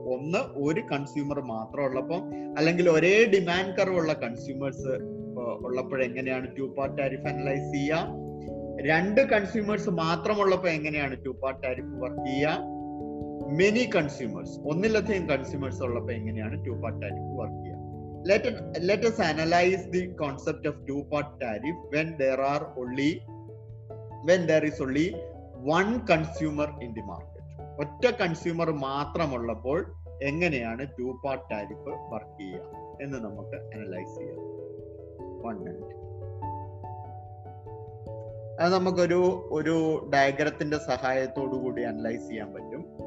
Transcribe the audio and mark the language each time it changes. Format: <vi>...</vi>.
<ml>ഒന്ന്, ഒരു കൺസ്യൂമർ മാത്രമുള്ളപ്പോൾ, അല്ലെങ്കിൽ ഒരേ ഡിമാൻഡ് കർവ് ഉള്ള കൺസ്യൂമേഴ്സ് ഉള്ളപ്പോൾ എങ്ങനെയാണ് ടു പാർട്ട് ടാരിഫ് അനലൈസ് ചെയ്യുക, രണ്ട് കൺസ്യൂമേഴ്സ് മാത്രമുള്ളപ്പോൾ എങ്ങനെയാണ് ടു പാർട്ട് ടാരിഫ് വർക്ക് ചെയ്യുക, മെനി കൺസ്യൂമേഴ്സ് ഒന്നിലധികം കൺസ്യൂമേഴ്സ് ഉള്ളപ്പോൾ എങ്ങനെയാണ് ടു പാർട്ട് ടാരിഫ് വർക്ക് ചെയ്യുക.</ml> <en>Let us analyze the concept of two-part tariff when there is only one consumer in the market.</en> <ml>ഒറ്റ consumer മാത്രമുള്ളപ്പോൾ എങ്ങനെയാണ് two-part tariff വർക്ക് ചെയ്യുക എന്ന് നമുക്ക് അനലൈസ് ചെയ്യാം. 1 minute അത് നമുക്കൊരു ഒരു ഡയഗ്രത്തിന്റെ സഹായത്തോടു കൂടി അനലൈസ് ചെയ്യാൻ പറ്റും.</ml>